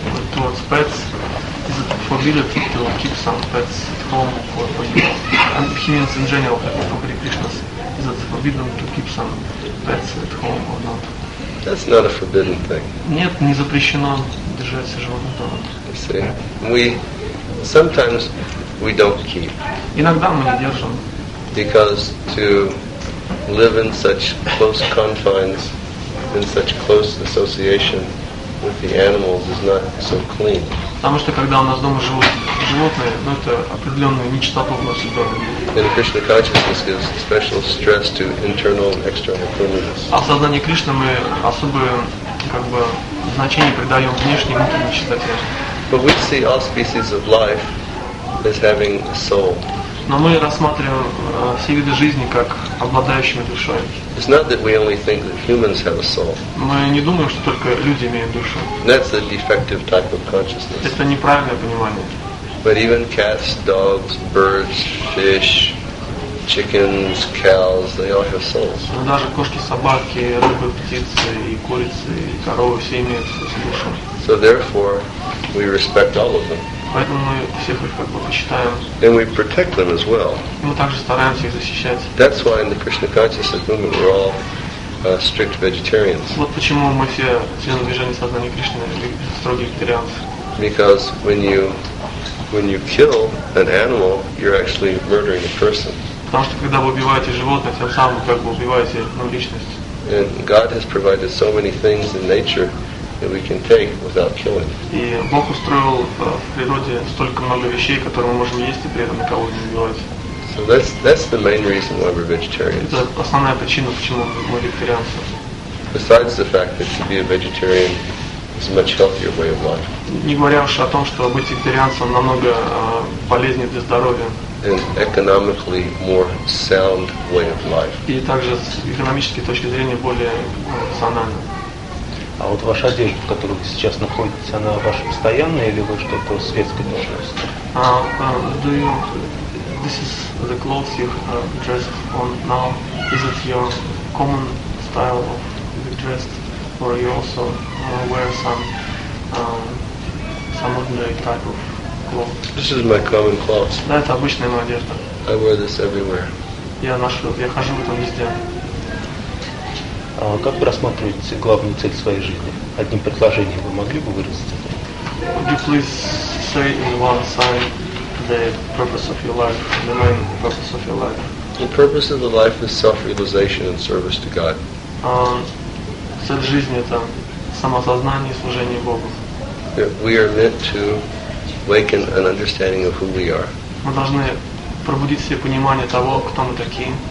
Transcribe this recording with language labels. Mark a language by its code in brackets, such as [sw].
[en] But towards pets, is it forbidden to keep some pets at home for you? And he means in general, for Hare Krishnas, is it forbidden to keep some pets at home or not? That's not a forbidden thing. [ru] Нет, не запрещено держать животных дома. [en] See, we sometimes we don't keep. [ru] Иногда мы не держим. [en] because to live in such close confines, in such close association with the animals is not so clean. [ru] Потому что когда у нас дома живут животные, ну это определенная нечистота в нашем доме. [en] And Krishna consciousness gives special stress to internal and external cleanliness. [ru] А в сознании Кришны мы особое как бы значение придаем внешней внутренней чистоте. [en] But we see all species of life as having a soul. [ru] Но мы рассматриваем все виды жизни как обладающими душой. [en] It's not that we only think that humans have a soul. [ru] Мы не думаем, что только люди имеют душу. [en] That's a defective type of consciousness. [ru] Это неправильное понимание. [en] But even cats, dogs, birds, fish, chickens, cows, they all have souls. [ru] Но даже кошки, собаки, рыбы, птицы, и курицы, и коровы, все имеют душу. [en] So therefore, we respect all of them. [ru] Поэтому мы всех их как бы почитаем. [en] And we protect them as well. [ru] Мы также стараемся их защищать. [en] That's why in the Krishna consciousness movement we're all strict vegetarians. [ru] Вот почему мы все члены движения сознания Кришны строгие вегетарианцы. [en] Because when you kill an animal, you're actually murdering a person. [ru] Потому что когда вы убиваете животное, тем самым как бы убиваете одну личность. [en] And God has provided so many things in nature that we can take without killing. [ru] И Бог устроил в природе столько много вещей, которые мы можем есть и при этом никого не убивать. [en] So that's the main reason why we're vegetarians. [ru] Это основная причина, почему мы вегетарианцы. [en] Besides the fact that to be a vegetarian is a much healthier way of life. [ru] Не говоря уж о том, что быть вегетарианцем намного полезнее для здоровья. [en] An economically more sound way of life. [ru] И также с экономической точки зрения более рационально. А вот ваша одежда, в которой вы сейчас находитесь, она ваша постоянная или вы что-то светской должности? [en] This is the clothes you are dressed on now. Is it your common style of dress, or you also wear some ordinary type of clothes? This is my common clothes. [ru] Да, это обычная моя одежда. [en] I wear this everywhere. [ru] Я хожу в этом везде. Как вы рассматриваете главную цель своей жизни? Одним предложением вы могли бы выразить это? [en] Would you please say in one sign the purpose of your life, the main purpose of your life? The purpose of the life is self-realization and service to God. [ru] Цель жизни — это самосознание и служение Богу. [en] We are meant to awaken an understanding of who we are. [ru] Мы должны пробудить себе понимание того, кто мы такие.